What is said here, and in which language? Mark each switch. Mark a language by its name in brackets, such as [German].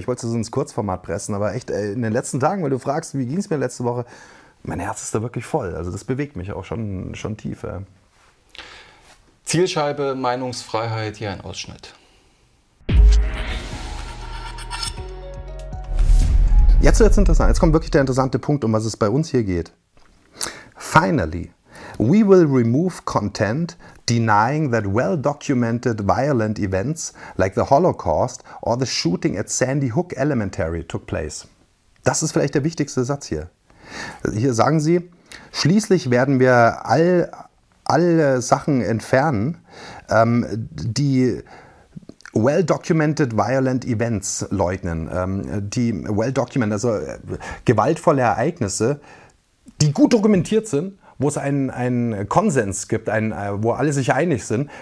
[German] Ich wollte es ins Kurzformat pressen, aber echt in den letzten Tagen, weil du fragst, wie ging es mir letzte Woche, mein Herz ist da wirklich voll. Also das bewegt mich auch schon tief. Zielscheibe, Meinungsfreiheit, hier ein Ausschnitt. Jetzt wird es interessant. Jetzt kommt wirklich der interessante Punkt, um was es bei uns hier geht. [English] Finally, we will remove content denying that well-documented violent events like the Holocaust or the shooting at Sandy Hook Elementary took place. [German] Das ist vielleicht der wichtigste Satz hier. Hier sagen sie, schließlich werden wir alle Sachen entfernen, die [English] well-documented violent events [German] leugnen, die [English] well-documented, [German] also gewaltvolle Ereignisse, die gut dokumentiert sind, wo es einen Konsens gibt, wo alle sich einig sind.